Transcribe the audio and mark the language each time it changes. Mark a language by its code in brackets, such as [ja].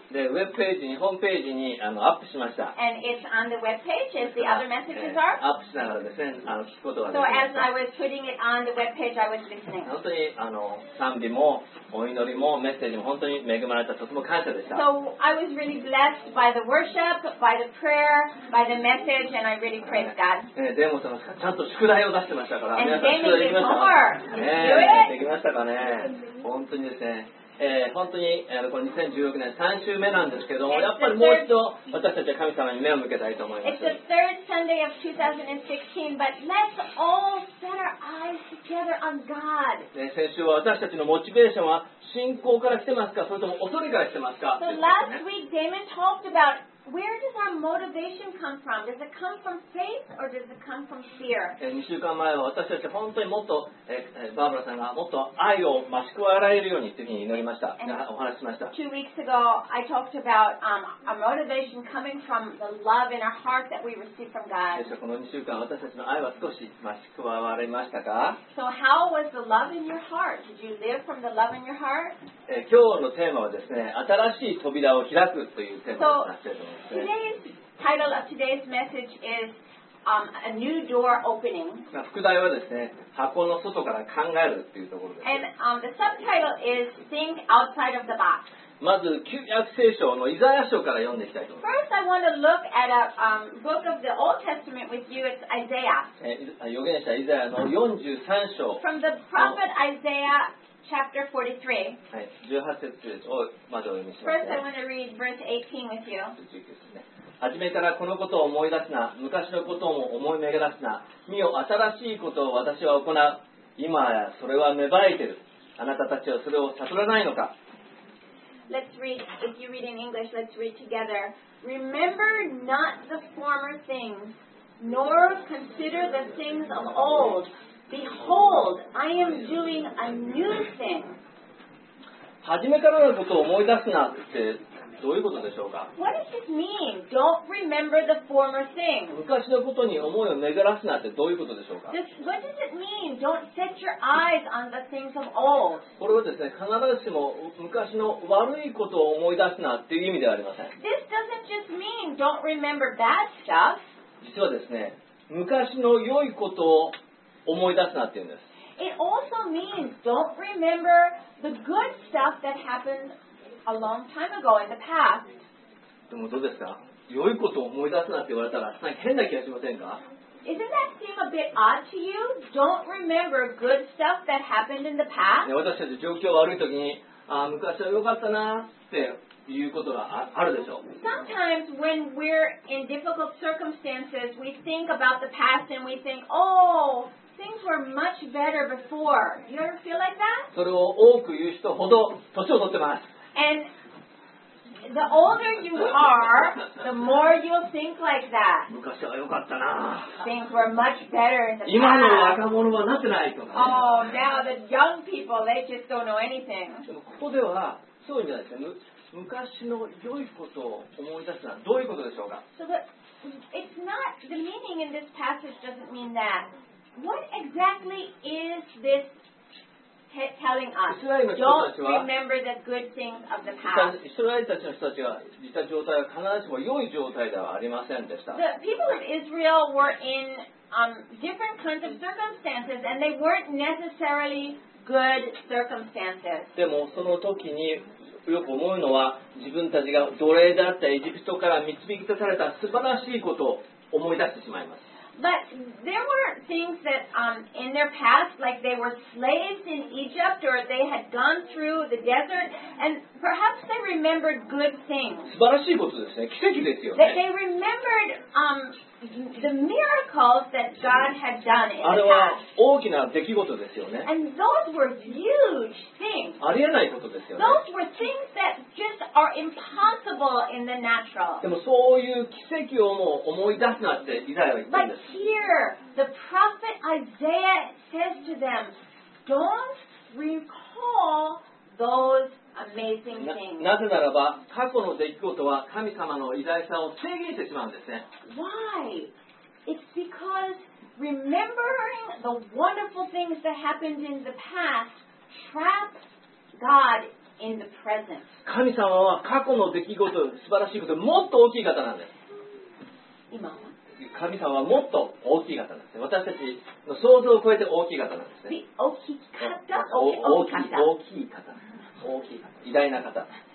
[ja] で、ウェブページに、ホームページに、アップしました。 [en] And it's on the web page as the other messages are. [ja] アップしながらですね、聞くことができました。 [en] So as I was putting it on the web page, I was listening. [ja] 本当に、賛美も、お祈りも、メッセージも本当に恵まれた、とても感謝でした。 [en] So I was really blessed by the worship, by the prayer, by the message, and I really praise God. [ja] デモさんがちゃんと宿題を出してましたから、 [en] And、 [ja] 皆さん宿題できましたか?できましたかね。本当にですね、本当にこれ2016年3週目なんですけども、やっぱりもう一度私たちは神様に目を向けたいと思います。 [en] It's the third Sunday of 2016, but let's all set our eyes together on God. [ja] 先週は私たちのモチベーションは信仰から来てますか、それとも恐れから来てますか。 [en] So last week, Damon talked about Where does that motivation come from? Does it come from faith or does it come from fear? [ja] 2週間前は私たち本当にもっと、バーバラさんがもっと愛を増し加えられるようにというふうに祈りました。お話ししました。 [en] 2 weeks ago, I talked about a motivation coming from the love in our heart that we received from God. [ja] この2週間私たちの愛は少し増し加われましたか? [en] So how was the love in your heart? Did you live from the love in your heart? [ja] 今日のテーマはですね、新しい扉を開くというテーマになっています。 [en] Today's title of today's message is a new door opening. [ja] 副題はですね、箱の外から考えるっていうところです。 [en] And the subtitle is think outside of the box. [ja] まず旧約聖書のイザヤ書から読んでいきたいと思います。 [en] First, I want to look at a book of the Old Testament with you. It's Isaiah. [ja] 預言者イザヤの43章。 [en] From the prophet Isaiah. Chapter [ja] 43. 18節をまず読みします。 [en] First, I want to read verse 18 with you. [ja] 19ですね。初めからこのことを思い出すな。昔のことを思い巡らすな。見よ、新しいことを私は行う。今やそれは芽生えてる。あなたたちはそれを悟らないのか。 [en] Let's read. If you read in English, let's read together. Remember not the former things, nor consider the things of old. Behold, I am doing a new thing. [ja] 初めからのことを思い出すなってどういうことでしょうか? [en] What does this mean? Don't remember the former thing. [ja] 昔のことに思いを巡らすなってどういうことでしょうか? [en] What does it mean? Don't set your eyes on the things of old. [ja] これはですね、必ずしも昔の悪いことを思い出すなっていう意味ではありません。 [en] This doesn't just mean don't remember bad stuff. [ja] 実はですね、昔の良いことを思い出すなって言うんです。 [en] It also means don't remember the good stuff that happened a long time ago in the past. [ja] でもどうですか? 良いことを思い出すなって言われたら、なんか変な気がしませんか? [en] Isn't that seem a bit odd to you? Don't remember good stuff that happened in the past? [ja] 私たち状況悪い時に、ああ、昔は良かったなって。いうことがあるでしょう。 [en] Sometimes when we're in difficult circumstances, we think about the past and we think, oh, things were much better before. You ever feel like that? [ja] それを多く言う人ほど年を取ってます。 [en] And the older you are, the more you'll think like that. [ja] 昔は良かったな。 [en] Things were much better in the past. [ja] 今の若者はなってないとか。 [en] Oh, now the young people, they just don't know anything. [ja] ここではそうじゃないですか。昔の良いことを思い出すのはどういうことでしょうか? [en] So the, it's not, the meaning in this passage doesn't mean that. What exactly is this telling us? Don't remember the good things of the past. [ja] イスラエルたちの人たちは、いた状態は必ずしも良い状態ではありませんでした。 [en] The people of Israel were in different kinds of circumstances and they weren't necessarily good circumstances. [ja] でもその時によく思うのは自分たちが奴隷だったエジプトから導き出された素晴らしいことを思い出してしまいます。 [en] But there were things that in their past, like they were slaves in Egypt or they had gone through the desert, and perhaps they remembered good things. [ja] 素晴らしいことですね。奇跡ですよね。 [en] That they remembered the miracles that God had done in the past. [ja] あれは大きな出来事ですよね。 [en] And those were huge things. [ja] ありえないことですよね。 [en] Those were things that just are impossible in the natural. [ja] でもそういう奇跡をもう思い出すなってイザヤは言ったんです。 [en] Here, the prophet Isaiah says to them, "Don't recall those amazing things." [ja] なぜならば、過去の出来事は神様の偉大さを制限してしまうんですね。 [en] Why? It's because remembering the wonderful things that happened in the past traps God in the present. [ja] 神様は過去の出来事、素晴らしいこと、もっと大きい方なんです。今は。神様はもっと大きい方なんですね。私たちの想像を超えて大きい方なんですね。大きい方、大きい方、大きい方、大きい方、大きい方、偉大な方。